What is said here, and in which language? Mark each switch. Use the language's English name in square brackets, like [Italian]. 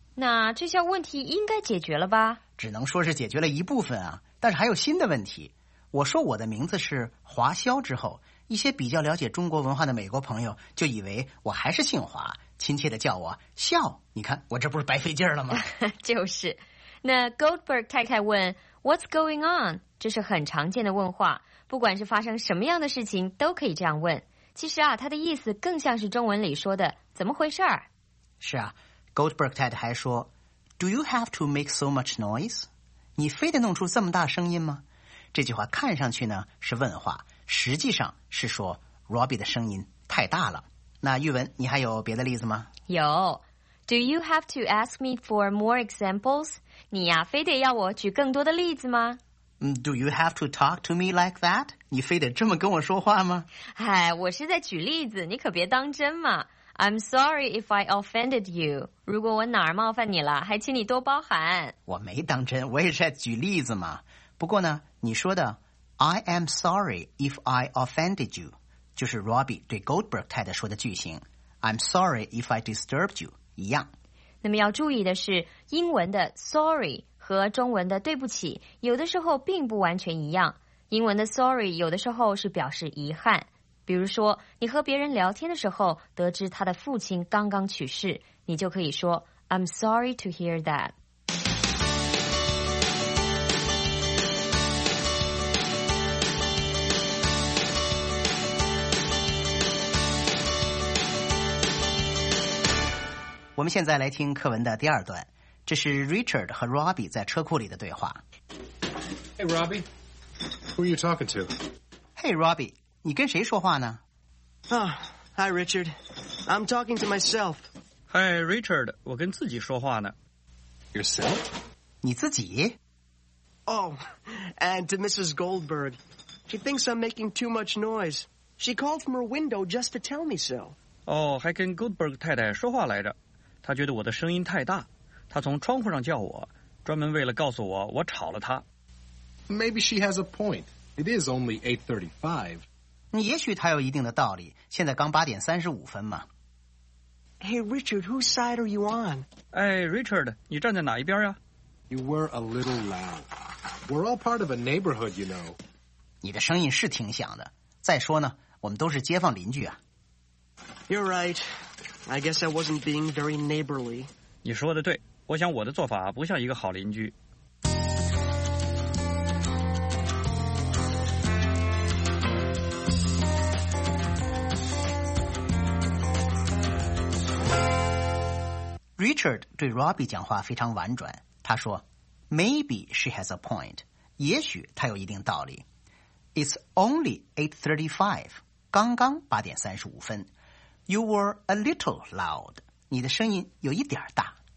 [Chinese] 那这下问题应该解决了吧？只能说是解决了一部分啊，但是还有新的问题。我说我的名字是华肖之后，一些比较了解中国文化的美国朋友就以为我还是姓华，亲切的叫我肖。你看我这不是白费劲儿了吗？就是。那 Goldberg 太太问 [English] What's going on? [Chinese] 这是很常见的问话，不管是发生什么样的事情都可以这样问。其实啊，他的意思更像是中文里说的怎么回事儿。是啊， Goldberg 太太还说 [English] Do you have to make so much noise? [Chinese] 你非得弄出这么大声音吗？这句话看上去呢是问话，实际上是说 Robbie 的声音太大了。那玉文，你还有别的例子吗？有。 [English] Do you have to ask me for more examples? [Chinese] 你呀，非得要我举更多的例子吗？ [English] Do you have to talk to me like that? [Chinese] 你非得这么跟我说话吗？哎，我是在举例子，你可别当真嘛。 [English] I'm sorry if I offended you. [Chinese] 如果我哪儿冒犯你了，还请你多包涵。我没当真，我也是在举例子嘛。不过呢，你说的 [English] I am sorry if I offended you [Chinese] 就是 Robbie 对 Goldberg 太太说的句型， [English] I'm sorry if I disturbed you [Chinese] 一样。那么要注意的是，英文的 sorry 和中文的对不起有的时候并不完全一样。英文的 sorry 有的时候是表示遗憾，比如说你和别人聊天的时候得知他的父亲刚刚去世，你就可以说 [English] I'm sorry to hear that。 [Chinese] 我们现在来听课文的第二段，这是 Richard 和 Robbie 在车库里的对话。 [English] Hey Robbie, who are you talking to? [Chinese] Hey Robbie, 你跟谁说话呢？ [English] Oh, Hi, Richard. I'm talking to myself. [Chinese] Hi, Richard. 我跟自己说话呢。 [English] Yourself? [Chinese] 你自己？ [English] Oh, and to Mrs. Goldberg. She thinks I'm making too much noise. She called from her window just to tell me so. [Chinese] 哦，还跟 Goldberg 太太说话来着。她觉得我的声音太大。她从窗户上叫我，专门为了告诉我我吵了她。 [English] Maybe she has a point. It is only 8:35. [Chinese] 你也许她有一定的道理。现在刚8:35嘛。 [English] Hey, Richard, whose side are you on? [Chinese] Hey, Richard, 你站在哪一边呀？ [English] You were a little loud. We're all part of a neighborhood, you know. [Chinese] 你的声音是挺响的。再说呢，我们都是街坊邻居啊。 [English] You're right. I guess I wasn't being very neighborly. [Chinese] 你说的对，我想我的做法不像一个好邻居。 Richard 对 Robbie 讲话非常婉转，他说 [English] Maybe she has a point， [Chinese] 也许她有一定道理。 [English] It's only 8:35， [Chinese] 刚刚8:35。 [English] You were a little loud， [Chinese] 你的声音有一点大。